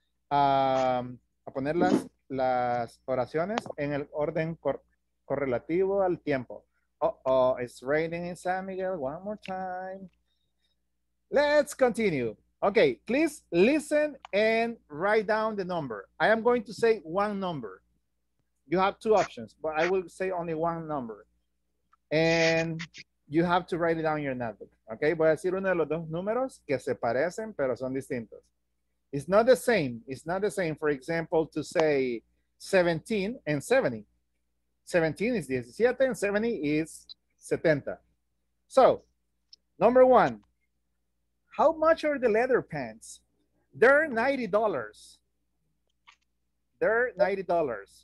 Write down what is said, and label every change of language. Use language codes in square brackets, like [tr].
[es] A poner las oraciones en el orden correlativo al tiempo. [en] Uh-oh, it's raining in San Miguel, one more time. Let's continue. Okay, please listen and write down the number. I am going to say one number. You have two options, but I will say only one number. And you have to write it down in your notebook. [es] Okay, voy a decir uno de los dos números que se parecen, pero son distintos. [en] It's not the same. It's not the same, for example, to say 17 and 70. 17 is 17 and 70 is 70. So, number one, how much are the leather pants? They're $90. They're $90.